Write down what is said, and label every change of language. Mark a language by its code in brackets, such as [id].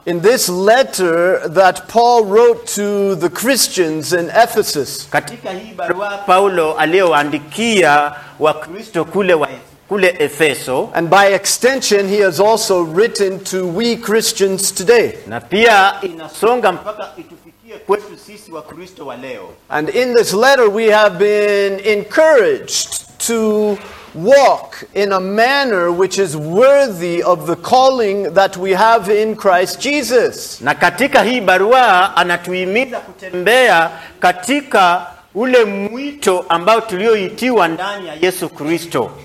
[en] in this letter that Paul wrote to the Christians in Ephesus, [sw] katika hii barua Paulo aliyoandikia wa Kristo kule Efeso, [en] and by extension he has also written to we Christians today, [sw] na pia inasonga mpaka itufikie kwetu sisi wa Kristo wa leo. [en] And in this letter we have been encouraged to walk in a manner which is worthy of the calling that we have in Christ Jesus. [sw] Na katika hii barua anatuhimiza kutembea katika ule mwito ambao tulioitiwa ndani ya Yesu Kristo.